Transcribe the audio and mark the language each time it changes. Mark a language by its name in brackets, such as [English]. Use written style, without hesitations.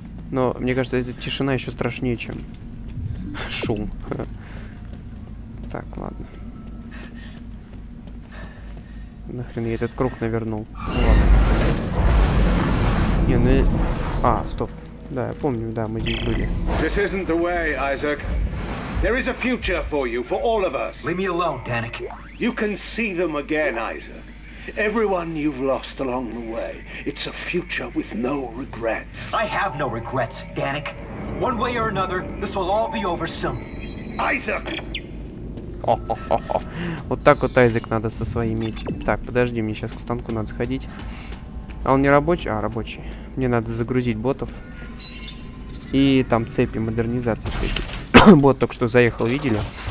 [Russian] Но мне кажется, эта тишина еще страшнее, чем шум. Так, ладно. Нахрен я этот круг навернул. Ну, ладно. Не, ну... А, стоп. Да, я помню, да, мы здесь были. [English] This isn't the way, Isaac. There is a future for you, for all of us. Leave me alone, Danik. You can see them again, Isaac. Everyone you've lost along the way. It's a future with no regrets. I have no regrets, Danik. One way or another, this will all be over soon. Isaac! [Russian] Вот так вот, Айзек, надо со своими идти. Так, подожди, мне сейчас к станку надо сходить. А он не рабочий? А, рабочий. Мне надо загрузить ботов. И там цепи модернизации. Цепи. Бот только что заехал, видели?